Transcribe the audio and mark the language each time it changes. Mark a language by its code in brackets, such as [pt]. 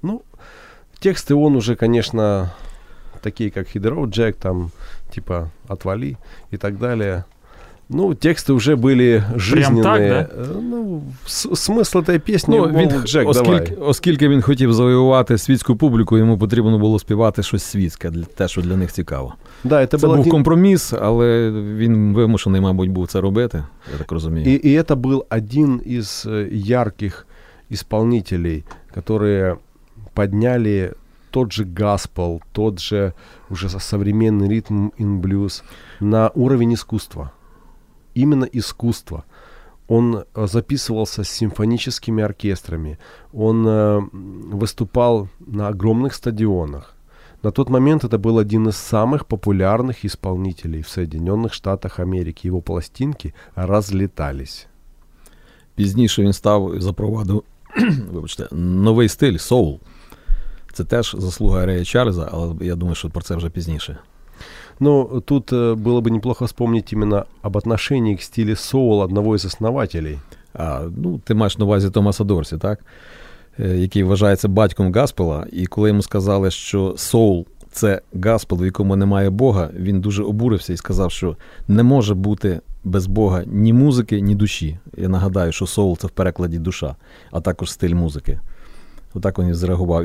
[ru] Ну, тексты он уже, конечно, такие, как «Hit the Road, Jack», там, типа «Отвали» и так далее. [uk] Ну, тексти вже були жизненні. [ru] Прям так, да? [uk] Ну, смисл цієї пісні, ну, він, Джек, оскільки, давай. Оскільки він хотів завоювати світську публіку, йому потрібно було співати щось світське, те, що для них цікаво. Да, це був компроміс, але він вимушений, мабуть, був це робити, я так розумію. [ru] І це був один із ярких виконавців, які підняли тот же gospel, тот же уже современный ритм і блюз на уровень искусства. Именно искусство. Он записывался с симфоническими оркестрами. Он выступал на огромных стадионах. На тот момент это был один из самых популярных исполнителей в Соединенных Штатах Америки. Его пластинки разлетались. [uk] Пізніше він став і запровадив, вибачте, новий стиль – соул. Це теж заслуга Рея Чарльза, але я думаю, що про це вже пізніше. [ru] Ну, тут было бы неплохо вспомнить именно об отношении к стилю соул одного из основателей. [uk] А, ну, ты маешь на увазе Томаса Дорсі, так? Який вважається батьком гаспела, і коли йому сказали, що соул – це гаспел, в якому немає Бога, він дуже обурився і сказав, що не може бути без Бога ні музики, ні душі. Я нагадаю, що соул – це в перекладі душа, а також стиль музики. Отак він зреагував.